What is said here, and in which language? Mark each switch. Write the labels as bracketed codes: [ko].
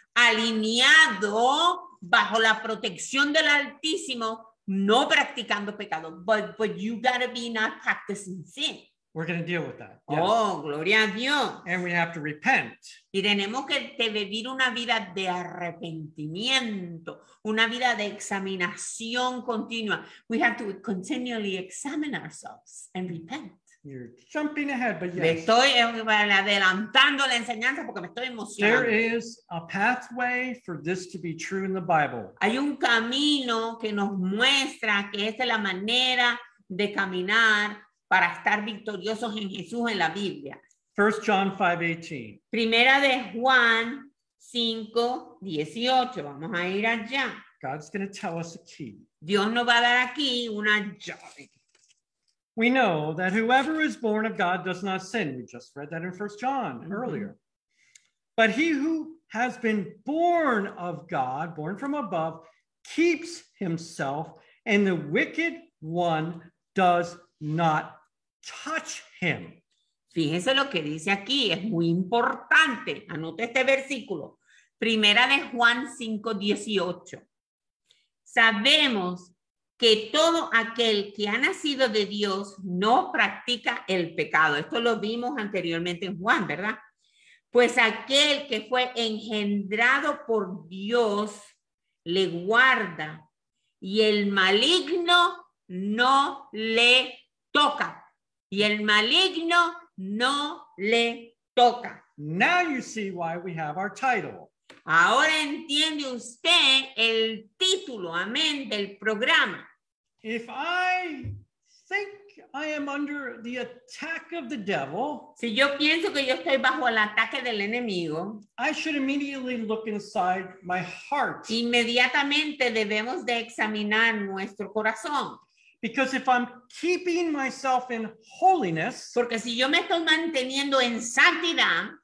[es] Alineado bajo la protección del Altísimo, no practicando pecado. [en] But you gotta be not practicing sin. We're going to deal with that. Yes. [es] Oh, gloria a Dios. [en] And we have to repent. [es] Y tenemos que vivir una vida de arrepentimiento, una vida de examinación continua. [en] We have to continually examine ourselves and repent. You're jumping ahead, but yes. [es] Me estoy adelantando la enseñanza porque me estoy emocionando. [en] There is a pathway for this to be true in the Bible. [es] Hay un camino que nos muestra que esta es la manera de caminar para estar victoriosos en Jesús en la Biblia. [en] 1 John 5:18. [es] Primera de Juan 5:18. Vamos a ir allá. [en] God's going to tell us a key. [es] Dios nos va a dar aquí una llave. [en] We know that whoever is born of God does not sin. We just read that in 1 John earlier. But he who has been born of God, born from above, keeps himself, and the wicked one does not touch him. [es] Fíjense lo que dice aquí, es muy importante. Anote este versículo. Primera de Juan 5:18. Sabemos que todo aquel que ha nacido de Dios no practica el pecado. Esto lo vimos anteriormente en Juan, ¿verdad? Pues aquel que fue engendrado por Dios le guarda y el maligno no le toca. Y el maligno no le toca. [en] Now you see why we have our title. [es] Ahora entiende usted el título, amén, del programa. [en] If I think I am under the attack of the devil, [es] si yo pienso que yo estoy bajo el ataque del enemigo, [en] I should immediately look inside my heart. [es] Inmediatamente debemos de examinar nuestro corazón. [en] Because if I'm keeping myself in holiness, [es] porque si yo me estoy manteniendo en santidad,